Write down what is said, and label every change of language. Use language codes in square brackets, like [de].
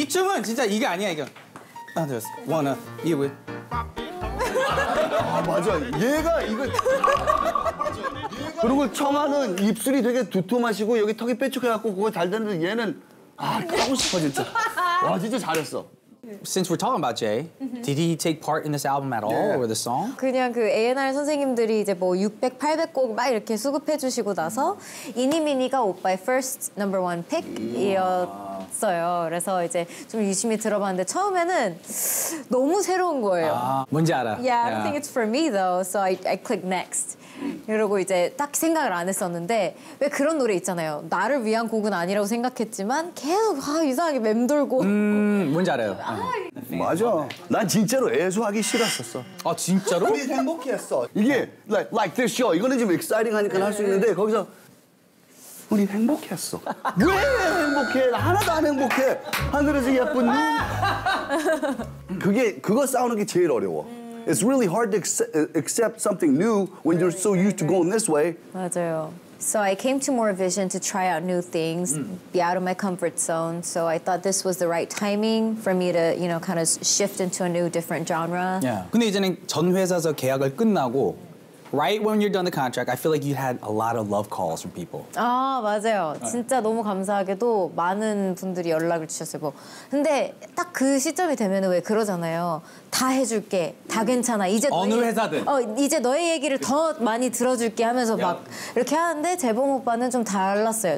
[ko] 이 춤은 진짜 이게 아니야, 이거. 하나, 둘, 셋. 원, 이 왜? 아, 맞아. 얘가 이거. 그리고 청아는 입술이 되게 두툼하시고 여기 턱이 빼쭉해갖고 그거 잘 되는데 얘는 아, 하고 싶어 진짜. 와, 진짜 잘했어. [en] Since we're talking about Jay, did he take part in this album at all or the song? [ko] 그냥 그 A&R 선생님들이 이제 뭐 600, 800곡 막 이렇게 수급해 주시고 나서 이니미니가 오빠의 [en] first number one pick [ko] 이었어요. 그래서 이제 좀 유심히 들어봤는데 처음에는 너무 새로운 거예요. 뭔지 알아. [en] Yeah, I think it's for me though, so I click next. [ko] 이러고 이제 딱 생각을 안 했었는데 왜 그런 노래 있잖아요. 나를 위한 곡은 아니라고 생각했지만 계속 아, 이상하게 맴돌고 뭔지 알아요. 아, 맞아. 난 진짜로 애수하기 싫었었어. 아 진짜로? 근데 행복했어. 이게 [en] like this show [ko] 이거는 좀 [en] exciting [ko] 하니까 할 수 있는데 거기서 우리 행복했어. 왜 행복해? 하나도 안 행복해. 하늘에서 예쁜 눈. 그게 그거 싸우는 게 제일 어려워. [en] It's really hard to accept something new when you're so used to going this way. [ko] 맞아요. [en] So I came to More Vision to try out new things, be out of my comfort zone. So I thought this was the right timing for me to, you know, kind of shift into a new, different genre. Yeah. [ko] 근데 이제는 전 회사에서 계약을 끝나고 [en] right when you're done the contract, I feel like you had a lot of love calls from people. [ko] 아, 맞아요. 진짜 너무 감사하게도 많은 분들이 연락을 주셨어요. 뭐. 근데 딱 그 시점이 되면 왜 그러잖아요. 다 해줄게. 다 괜찮아. 이제 어느 회사든. 이제 너의 얘기를 더 많이 들어줄게 하면서 막 이렇게 하는데 재봉 오빠는 좀 달랐어요.